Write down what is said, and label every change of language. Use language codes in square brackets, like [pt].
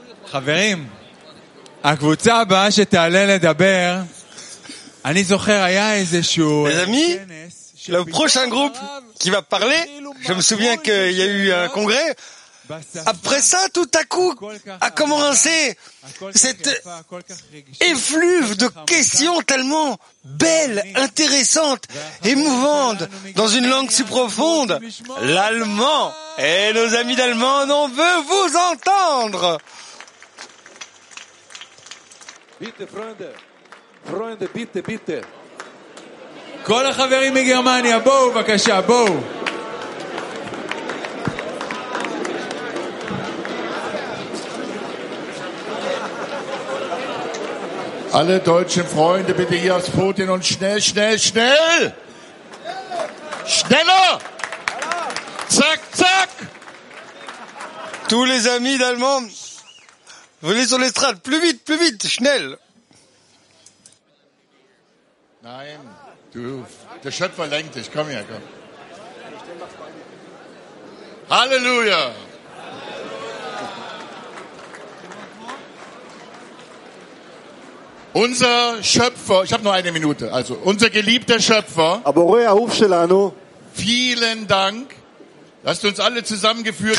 [he] חברים, הקבוצה הבאה שתעלה לדבר, אני זוכר היה איזשהו [fr] כנס. Le prochain groupe qui va parler. Je me souviens qu'il y a eu un congrès. Après ça, tout à coup, a commencé cette effluve de questions tellement belles, intéressantes, émouvantes, dans une langue si profonde, l'allemand. Et nos amis d'Allemagne, on veut vous entendre. [de] Bitte, Freunde. Freunde, bitte, bitte. [he] כל החברים מגרמניה, בואו בבקשה, בואו. [de] Alle deutschen Freunde, bitte hier aufs Podium und schnell, schnell, schnell! Schneller! Zack, zack! [fr] Tous les amis d'Allemagne, venez sur l'estrade, plus vite, schnell! [de] Nein, du, der Schöpfer lenkt dich, komm her, komm. Halleluja! Unser Schöpfer, ich habe nur eine Minute, also unser geliebter Schöpfer, vielen Dank, dass du uns alle zusammengeführt